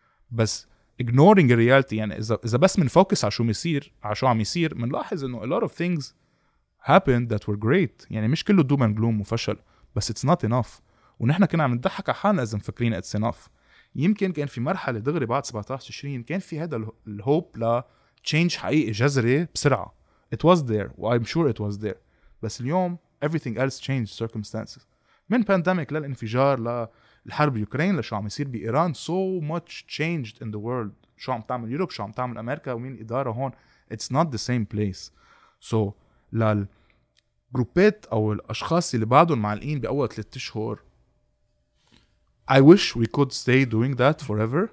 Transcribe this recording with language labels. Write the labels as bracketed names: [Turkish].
[Arabic] بس [English] ignoring reality, [Arabic] يعني إذا بس من focus على شو مصير, على شو عم يصير, منلاحظ إنه [English] a lot of things happened that were great. [Arabic] يعني مش كله [English] doom and gloom [Arabic] وفشل, بس [English] it's not enough. [Arabic] ونحن كنا عم نضحك على حالنا إذا مفكرين [English] it's enough. [Arabic] يمكن كان في مرحلة دغري بعد 17-20 كان في هذا الهوب لـ change حقيقي جذري بسرعة. [English] It was there, well, I'm sure it was there. [Arabic] بس اليوم [English] everything else changed circumstances. [Arabic] من pandemic للانفجار للحرب يوكرين لشو عم يصير بإيران, [English] so much changed in the world. [Arabic] شو عم تعمل يوروب, شو عم تعمل أمريكا, ومين إدارة هون. [English] It's not the same place. So [Arabic] للجروبات أو الأشخاص اللي بعدهم معلقين بأول 3 شهور, [English] I wish we could stay doing that forever.